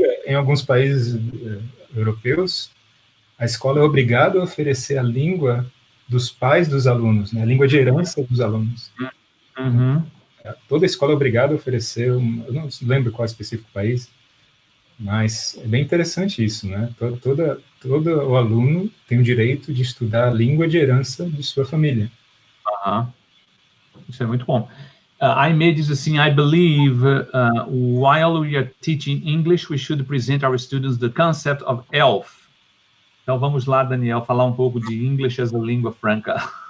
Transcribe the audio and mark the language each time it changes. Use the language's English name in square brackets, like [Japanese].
[Portuguese] em alguns países europeus, a escola é obrigada a oferecer a língua dos pais dos alunos, né? A língua de herança dos alunos. Toda escola é obrigada a oferecer, eu não lembro qual é o específico país, mas é bem interessante isso, né? Todo o aluno tem o direito de estudar a língua de herança de sua família. Isso é muito bom. [English] I may [Portuguese] diz assim, [English] I believe while we are teaching English, we should present our students the concept of ELF. [Portuguese] Então, vamos lá, Daniel, falar um pouco de English as a língua franca.